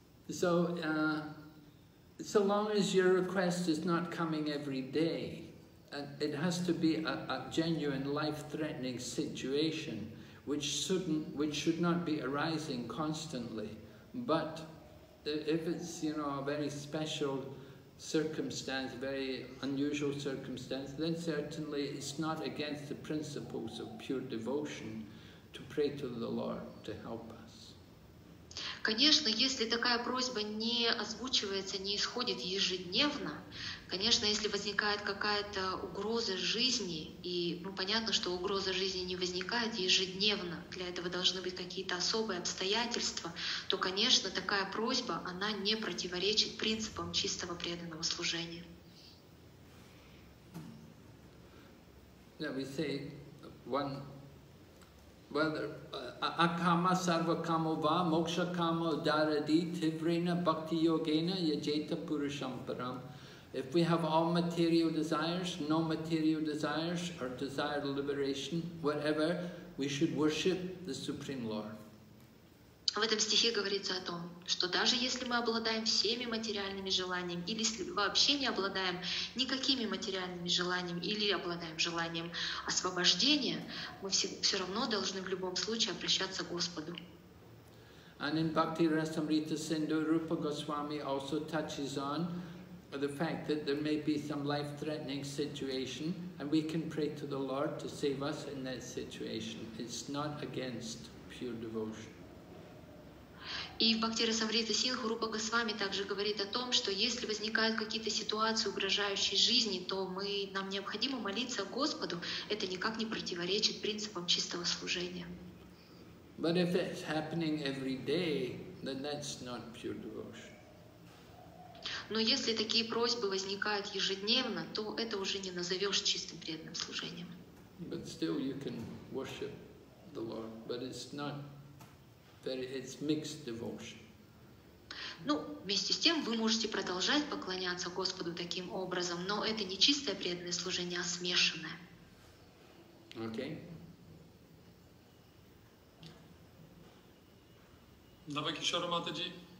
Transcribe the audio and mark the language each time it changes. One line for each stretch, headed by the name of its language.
English: So, so long as your request is not coming every day, it has to be a genuine life-threatening situation which should not be arising constantly. But if it's, you know, a very special circumstance, very unusual circumstance, then certainly it's not against the principles of pure devotion to pray to the Lord to help us.
Russian: Конечно, если такая просьба не озвучивается, не исходит ежедневно, конечно, если возникает какая-то угроза жизни, и ну понятно, что угроза жизни не возникает ежедневно, для этого должны быть какие-то особые обстоятельства, то, конечно, такая просьба, она не противоречит принципам чистого преданного служения.
English: Yeah, we say one, whether
Sanskrit: akama sarva kamo va moksha kamo daradi tivrena bhakti yogena yajeta purusham param.
English: If we have all material desires, no material desires, or desire liberation, whatever, we should worship the Supreme Lord.
Russian: В этом стихе говорится о том, что даже если мы обладаем всеми материальными желаниями, или если вообще не обладаем никакими материальными желаниями, или обладаем желанием освобождения, мы все равно должны в любом случае обращаться к Господу.
English: And in Bhakti Rasamrita Sindhu, Rupa Goswami also touches on the fact that there may be some life-threatening situation and we can pray to the Lord to save us in that situation. It's not against pure devotion.
Russian: И в Бхакти Расамрита Сингху Рупа Госвами также говорит о том, что если возникают какие-то ситуации, угрожающие жизни, то нам необходимо молиться Господу. Это никак не противоречит принципам чистого служения.
English: But if it's happening every day, then that's not pure devotion.
Russian: Но если такие просьбы возникают ежедневно, то это уже не назовешь чистым преданным служением.
English: But still you can worship the Lord, but it's not very, it's mixed devotion.
Russian: Ну, вместе с тем, вы можете продолжать поклоняться Господу таким образом, но это не чистое преданное служение, а смешанное. Окей. Давай еще Раматаджи.